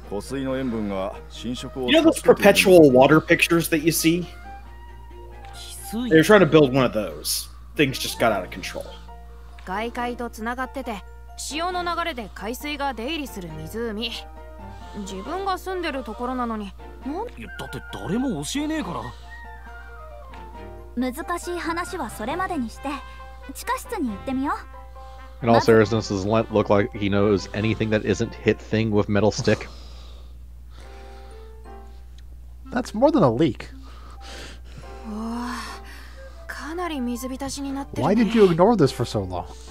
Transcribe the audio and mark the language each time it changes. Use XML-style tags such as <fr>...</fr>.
<en>You know those perpetual water pictures that you see? They're trying to build one of those. Things just got out of control.</en> <ja>外界とつながってて、潮の流れで海水が出入りする湖。自分が住んでるところなのに、だって誰も教えねえから。難しい話はそれまでにして、地下室に行ってみよう。</ja> <en>In all seriousness, does Lent look like he knows anything that isn't hit thing with metal stick? That's more than a leak. Why did you ignore this for so long?</en>